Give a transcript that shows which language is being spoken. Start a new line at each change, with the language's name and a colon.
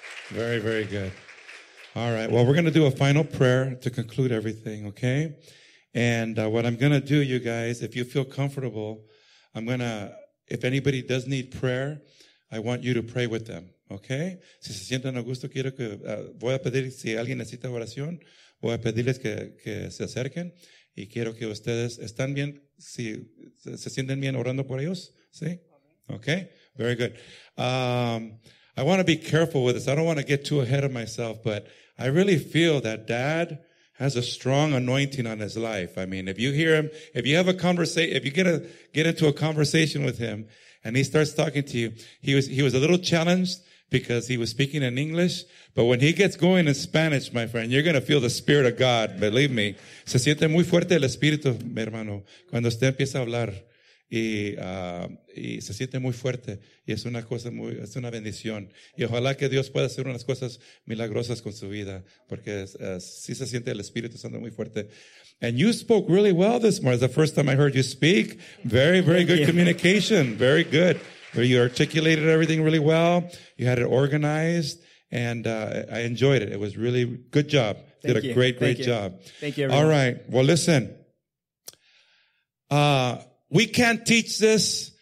English: Very, very good. All right, well, we're going to do a final prayer to conclude everything, okay? And what I'm going to do, you guys, if you feel comfortable, I'm going to, if anybody does need prayer, I want you to pray with them, okay?
Spanish: Si se sienten a gusto, quiero que, voy a pedir, si alguien necesita oración, voy a pedirles que se acerquen. Y quiero que ustedes están bien, si se sienten bien orando por ellos, ¿sí?
English: Okay, very good. I want to be careful with this. I don't want to get too ahead of myself, but I really feel that Dad has a strong anointing on his life. I mean, if you hear him, if you have a conversation, if you get into a conversation with him and he starts talking to you, he was a little challenged because he was speaking in English. But when he gets going in Spanish, my friend, you're going to feel the Spirit of God. Believe me.
Spanish: Se siente muy fuerte el espíritu, mi hermano, cuando usted empieza a hablar. Y se siente muy fuerte. Y es una cosa muy, es una bendición. Y ojalá que Dios pueda hacer unas cosas milagrosas con su vida. Porque sí se siente el Espíritu Santo muy fuerte.
English: And you spoke really well this morning. It's the first time I heard you speak. Very, very good communication. Very good. You articulated everything really well. You had it organized. And I enjoyed it. It was really good job. Thank you. Did a great, great job. Thank you, everyone. All right. Well, listen. We can't teach this.